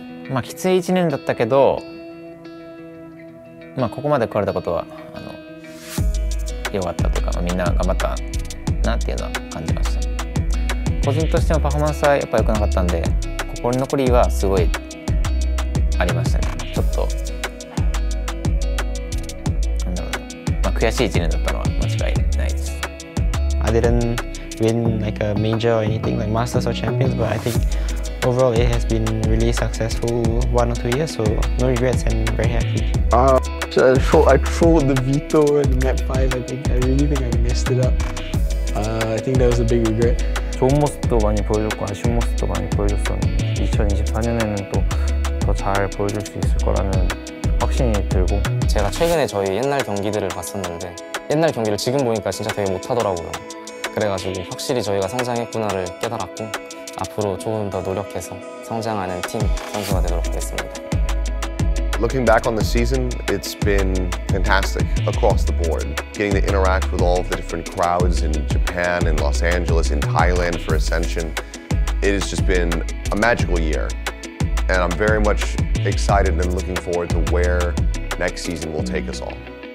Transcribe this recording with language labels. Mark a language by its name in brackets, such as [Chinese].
[Japanese] まあ、きつい1年だったけど、まあ、ここまで来られたことは良かったというか、まあ、みんな頑張ったなっていうのは感じました。個人としてもパフォーマンスはやっぱ良くなかったんで、心残りはすごいありましたね。ちょっとなんだろうな、まあ、悔しい1年だったのは間違いないです。 [English] I didn't win like a major or anything like Masters or Champions, but I thinkOverall, it has been really successful 1 or 2 years, so no regrets and very happy. So I trolled the veto in map 5, I think. I really think I messed it up. I think that was a big regret. [Korean] 좋은 모습도 많이 보여줬고 아쉬운 모습도 많이 보여줬었는데 2024년에는 또 더 잘 보여줄 수 있을 거라는 확신이 들고 제가 최근에 저희 옛날 경기들을 봤었는데 옛날 경기를 지금 보니까 진짜 되게 못하더라고요. 그래가지고 확실히 저희가 성장했구나를 깨달았고 앞으로 조금 더 노력해서 성장하는 팀 선수가 되도록 하겠습니다. [English] Looking back on the season, it's been fantastic across the board. Getting to interact with all of the different crowds in Japan, in Los Angeles, in Thailand for Ascension, it has just been a magical year. And I'm very much excited and looking forward to where next season will take us all.